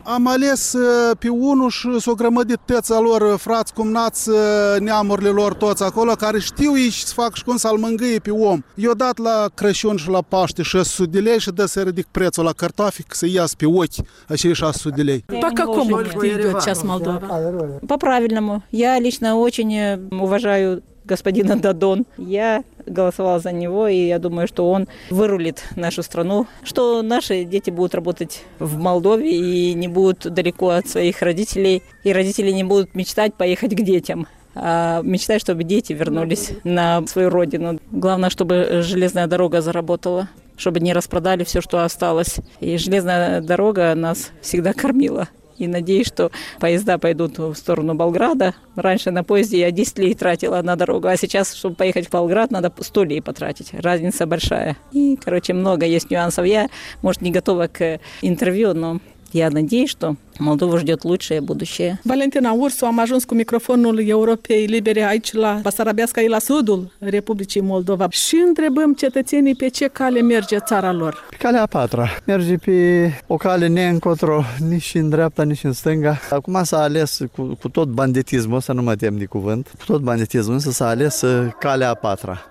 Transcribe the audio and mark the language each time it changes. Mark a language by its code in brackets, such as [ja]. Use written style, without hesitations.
[ro] Am ales pe unul și s-o grămădit tăța lor, frați, cumnați, neamurile lor toți acolo, care știu ei și să fac și cum să-l mângâie pe om. I-o dat la Crăciun și la Paște 600 de lei și dă să ridic prețul la cartofi, să iasă pe ochi acei 600 de lei. Pacă cum știi tot ce-a smaldat? Pa, pravilnă, mă. [ru] Я лично очень уважаю господина Дадон. Я голосовал за него, и я думаю, что он вырулит нашу страну, что наши дети будут работать в Молдове и не будут далеко от своих родителей, и родители не будут мечтать поехать к детям. а мечтаю, чтобы дети вернулись на свою родину. Главное, чтобы железная дорога заработала, чтобы не распродали все, что осталось. И железная дорога нас всегда кормила. И надеюсь, что поезда пойдут в сторону Болграда. Раньше на поезде я 10 лей тратила на дорогу, а сейчас, чтобы поехать в Болград, надо 100 лей потратить. Разница большая. И, короче, много есть нюансов. Я, может, не готова к интервью, но я надеюсь, что Молдову ждет лучшее будущее. [ro] Валентина Урсу, am ajuns cu microfonul Europei Libere aici la Basarabiasca și la sudul Republicii Moldova. Și întrebăm cetățenii pe ce cale merge țara lor. Pe calea a patra. Merge pe o cale neîncotro, nici în dreapta, nici în stânga. Acum s-a ales cu tot banditismul, să nu mă tem de cuvânt, cu tot banditismul, însă s-a ales calea a patra.